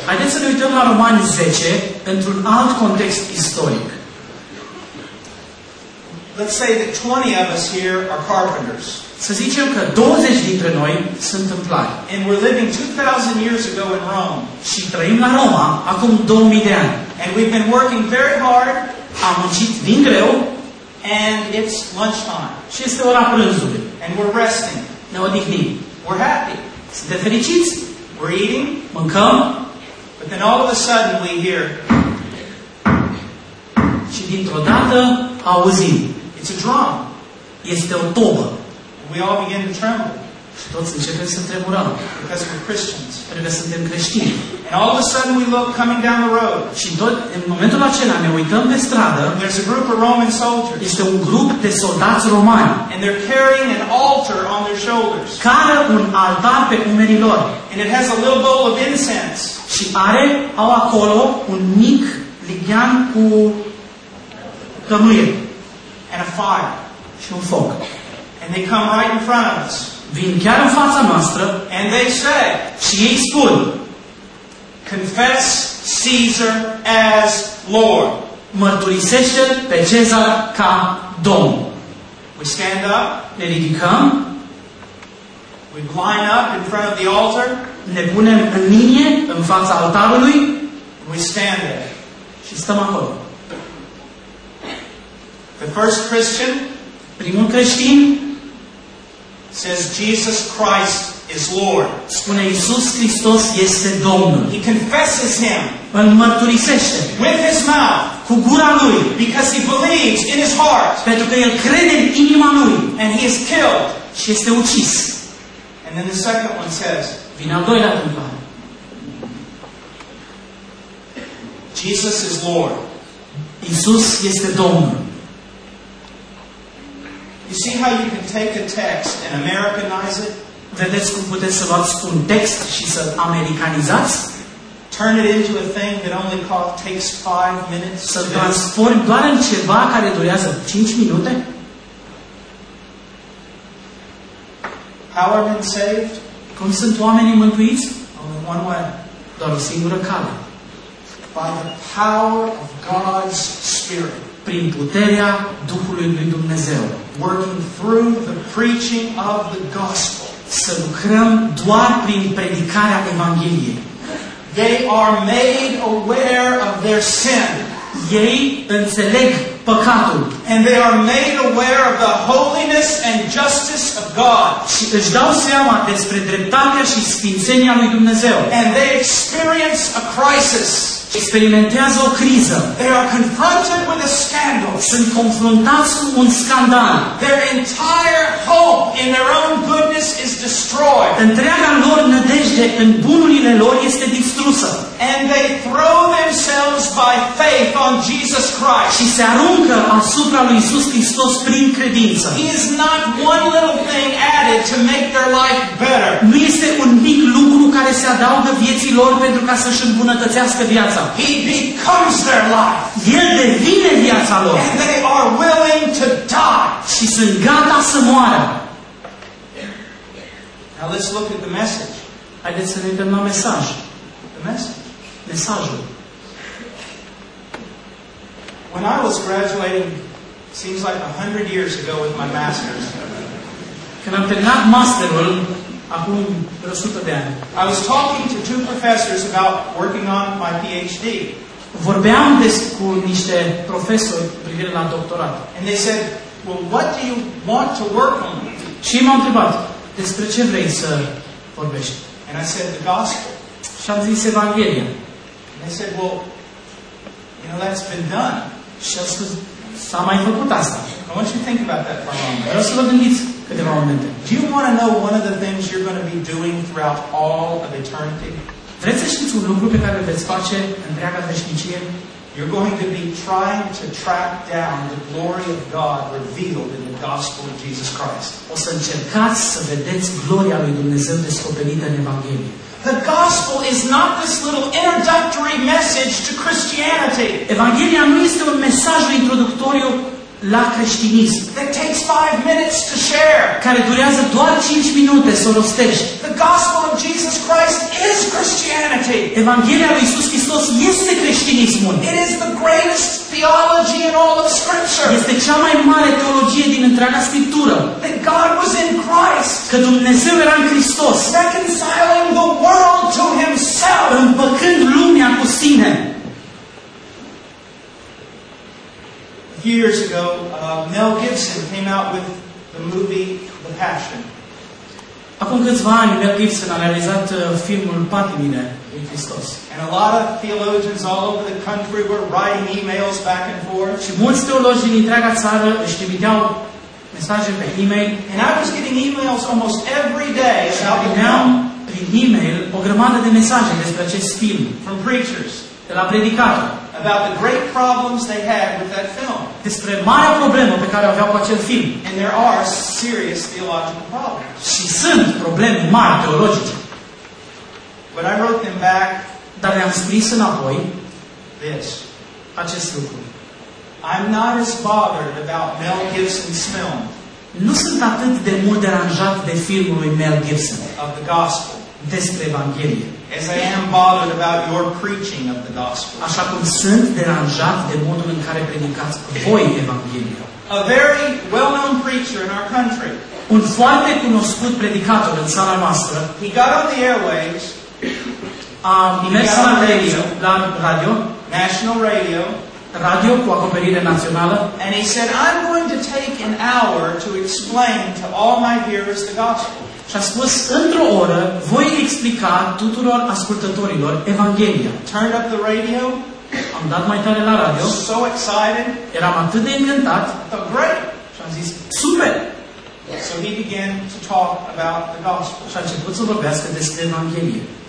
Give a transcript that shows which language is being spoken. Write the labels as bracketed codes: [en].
[ro] Haideți să ne uităm la Romani 10 într-un alt context istoric. [en] Let's say that 20 of us here are carpenters. [ro] Să zicem că 20 dintre noi sunt templari. [en] And we're living 2000 years ago in Rome. [ro] Și trăim la Roma acum 2000 de ani. [en] And we've been working very hard. [ro] Am muncit din greu. [en] And it's lunchtime. [ro] Și este ora prânzului. [en] And we're resting. [ro] Ne odihnim. [en] We're happy. [ro] Suntem fericiți. [en] We're eating. [ro] Mâncăm. [en] But then all of a sudden we hear. [ro] Și dintr-o dată auzim. [en] It's a drum. [ro] Este o tobă. [en] We all begin to tremble. [ro] Și toți începem să tremurăm. [en] Because we're Christians. [ro] Pentru că suntem creștini. [en] And all of a sudden we look coming down the road. [ro] Și în momentul acela ne uităm pe stradă. [en] There's a group of Roman soldiers. [ro] Este un grup de soldați romani. [en] And they're carrying an altar on their shoulders. [ro] Care un altar pe umerii lor. [en] And it has a little bowl of incense. [ro] Și are au acolo un mic lighean cu cămâie. [en] And a fire. [ro] Și un foc. [en] And they come right in front of us. [ro] Vin chiar în fața noastră. [en] And they say. [ro] Și ei spun. [en] Confess Caesar as Lord. [ro] Mărturisește pe Cezar ca Domn. [en] We stand up. [ro] Ne ridicăm. [en] We line up in front of the altar. [ro] Ne punem în linie în fața altarului. [en] We stand there. [ro] Și stăm acolo. [en] The first Christian. [ro] Primul creștin. [en] Says Jesus Christ. Is Lord. [ro] Spune Iisus Hristos este Domnul. [en] He confesses him. [ro] Îl mărturisește. [en] With his mouth. [ro] Cu gura lui. [en] Because he believes in his heart. [ro] Pentru că el crede în inima lui. [en] And he is killed. [ro] Și este ucis. [en] And then the second one says. [ro] Vine al doilea templar. [en] Jesus is Lord. [ro] Iisus este Domnul. [en] You see how you can take a text and Americanize it? [ro] Vedeți cum puteți să luați un text și să-l americanizați? [en] Turn it into a thing that only takes 5 minutes. [ro] Să transformi doar în ceva care durează 5 minute? [en] How are men saved? [ro] Cum sunt oamenii mântuiți? [en] Only one way. [ro] Doar o singură cale. [en] By the power of God's Spirit. [ro] Prin puterea Duhului lui Dumnezeu. [en] Working through the preaching of the gospel. [ro] Să lucrăm doar prin predicarea Evangheliei. [en] They are made aware of their sin. [ro] Ei înțeleg păcatul. [en] And they are made aware of the holiness and justice of God. [ro] Și își dau seama despre dreptatea și sfințenia lui Dumnezeu. [en] And they experience a crisis. [ro] Experimentează o criză. [en] They are confronted with a scandal. [ro] Sunt confruntați cu un scandal. [en] Their entire hope in their own goodness is destroyed. [ro] Întreaga lor nădejde în bunurile lor este distrusă. [en] And they throw themselves by faith on Jesus Christ. [ro] Și se aruncă asupra lui Iisus Hristos prin credință. [en] He is not one little thing added to make their life better. [ro] Nu este un mic lucru care se adaugă vieții lor pentru ca să-și îmbunătățească viața. [en] He becomes their life. [ro] El devine viața lor. [en] And they are willing to die. [ro] Și sunt gata să moară. [en] Now let's look at the message. [ro] Haideți să ne uităm la mesaj. Mesajul. [en] When I was graduating, seems like 100 years ago with my master's. [ro] Când am terminat masterul, acum 100 de ani. [en] I was talking to two professors about working on my PhD. [ro] Vorbeam cu niște profesori privind la doctorat. [en] And they said, "Well, what do you want to work on?" [ro] Și m-am întrebat, despre ce vrei să vorbești? [en] And I said, "The gospel." [ro] și am zis Evanghelia. [en] And they said, well, you know, that's been done. [ro] Și am spus, s-a mai făcut asta. [en] I want you to think about that for a moment. [ro] Vreau să vă gândiți câteva momente. [en] Do you want to know one of the things you're going to be doing throughout all of eternity? [ro] Vreți să știți un lucru pe care veți face întreaga veșnicie? [en] You're going to be trying to track down the glory of God revealed in the gospel of Jesus Christ. [ro] O să încercați să vedeți gloria lui Dumnezeu descoperită în Evanghelie. [en] The gospel is not this little introductory message to Christianity. [ro] Evanghelia nu este un mesaj introductoriu la creștinism. [en] That takes 5 minutes to share. [ro] Care durează doar 5 minute să rostești. [en] The gospel of Jesus Christ is Christianity. [ro] Evanghelia lui Iisus Hristos este creștinismul. [en] It is the greatest theology in all of Scripture. [ro] Este cea mai mare teologie din întreaga Scriptură. [en] That God was in Christ. [ro] Că Dumnezeu era în Hristos. [en] Reconciling the world to Himself. [ro] Împăcând lumea cu Sine. [en] Years ago, Mel Gibson came out with the movie The Passion. [ro] Acum câțiva ani, Mel Gibson a realizat filmul Patimile lui Hristos. [en] And a lot of theologians all over the country were writing emails back and forth. [ro] Și mulți teologi din întreaga țară își trimiteau mesaje pe e-mail. [en] And I was getting emails almost every day about the film. [ro] Prin e-mail, o grămadă de mesaje despre acest film. [en] From preachers. [ro] De la predicatori. [en] About the great problems they had with that film. [ro] Despre marea problemă pe care aveau cu acel film. [en] And there are serious theological problems. [ro] Și sunt probleme mari teologice. [en] But I wrote them back. [ro] Dar le-am scris înapoi. [en] This. [ro] Acest lucru. [en] I'm not as bothered about Mel Gibson's film. [ro] Nu sunt atât de mult deranjat de filmul lui Mel Gibson. [en] Of the gospel. [ro] Despre Evanghelie. [en] As I am bothered about your preaching of the gospel. [ro] Așa cum sunt deranjat de modul în care predicați voi Evanghelia. [en] A very well-known preacher in our country. [ro] Un foarte cunoscut predicator în țara noastră. [en] He got on the airwaves. [ro] Mers la radio, [en] National Radio. [ro] Radio cu acoperire națională. [en] And he said, I'm going to take an hour to explain to all my hearers the gospel. [ro] Și a spus, într-o oră, voi explica tuturor ascultătorilor Evanghelia. [en] Turned up the radio. [ro] Am dat mai tare la radio. [en] So excited. [ro] Eram atât de încântat. [en] The great. [ro] Și am zis, super! [en] So he began to talk about the gospel. [ro] Și a început să vorbească despre Evanghelie.